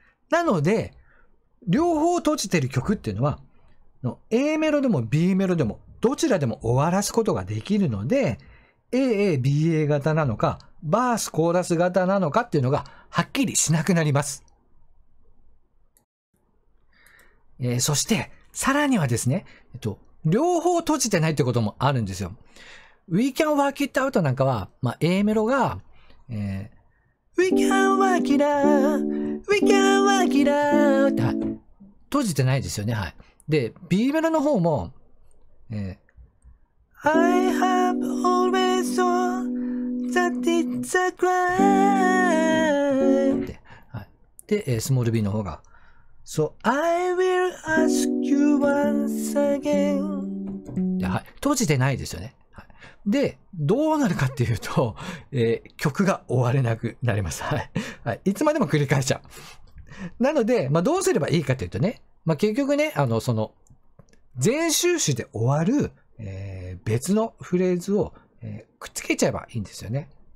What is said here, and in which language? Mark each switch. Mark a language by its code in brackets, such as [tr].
[ja] なので、両方閉じてる曲っていうのは、A メロでも B メロでもどちらでも終わらすことができるので、AABA 型なのか、バースコーラス型なのかっていうのがはっきりしなくなります。そして、さらにはですね、両方閉じてないってこともあるんですよ。 [en] We can work it out [ja] なんかは、まあ、A メロが、 [en] We can work it out, We can work it out [ja] って、閉じてないですよね、はい。で、B メロの方も、 [en] I have always thought that it's a crime [ja] って、はい。で、スモール B の方が、 [en] So I will ask you once again. [ja] はい。閉じてないですよね。はい、で、どうなるかっていうと、曲が終われなくなります。はい。はい。いつまでも繰り返しちゃう。なので、まあ、どうすればいいかというとね、まあ、結局ね、全周詞で終わる、別のフレーズを、くっつけちゃえばいいんですよね。